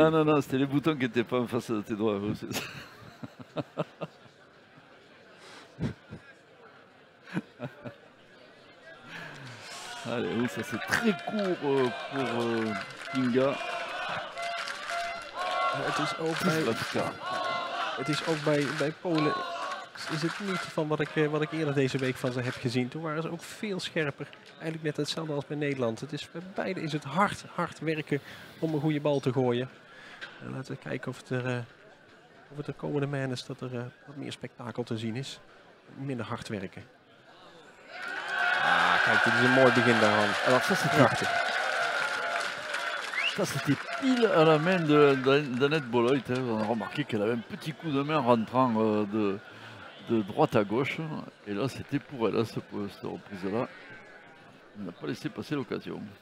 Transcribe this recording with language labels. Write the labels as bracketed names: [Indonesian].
[French] Non, non, non, c'était les boutons qui n'étaient pas en face de tes doigts. Vous, c'est ça. Allez, oui, ça c'est très court pour Kinga. [Dutch] Het is ook. Het is ook bij Polen, is het niet van wat ik eerder deze week van ze heb gezien. Toen waren ze ook veel scherper, eigenlijk net hetzelfde als bij Nederland. Het is bij beide is het hard werken om een goede bal te gooien. En laten we kijken of het de komende maanden is dat er wat meer spektakel te zien is. Minder hard werken. Ah, kijk, dit is een mooi begin daarvan. En dat is prachtig. [French] Ça, c'était pile à la main d'Annette Bolloit. Hein. On a remarqué qu'elle avait un petit coup de main rentrant de droite à gauche. Et là, c'était pour elle, cette reprise-là. On n'a pas laissé passer l'occasion.